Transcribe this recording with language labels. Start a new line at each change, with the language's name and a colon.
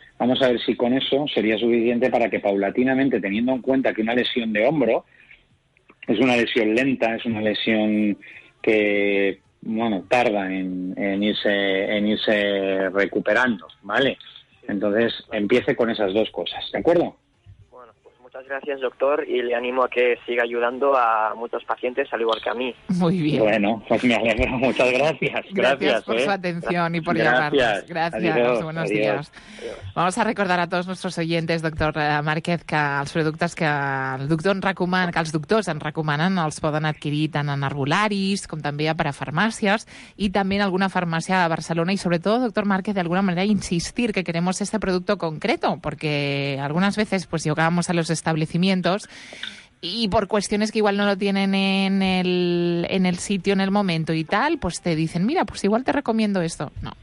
Spanish: Vamos a ver si con eso sería suficiente para que paulatinamente, teniendo en cuenta que una lesión de hombro es una lesión lenta, es una lesión que, bueno, tarda en irse recuperando, ¿vale? Entonces, empiece con esas dos cosas, ¿de acuerdo? Bueno, pues muchas gracias, doctor, y le animo a que siga ayudando a muchos pacientes, al igual que a mí. Muy bien. Bueno, pues me alegro. Muchas gracias. Gracias por su atención y por llamarnos. Gracias. Buenos días. Adiós. Vamos a recordar
Catalan: a tots nostres oients, doctor Márquez, que els productes que el doctor ens recomana, que els doctors ens recomanen, els poden adquirir tant en herbolaris com també a parafarmàcies i també en alguna farmàcia de Barcelona. I sobretot,
Spanish: doctor Márquez, de alguna manera insistir que queremos este producto concreto, porque algunas veces pues llegamos a los establecimientos y por cuestiones que igual no lo tienen en el sitio, en el momento y tal, pues te dicen, mira, pues igual te recomiendo esto. No.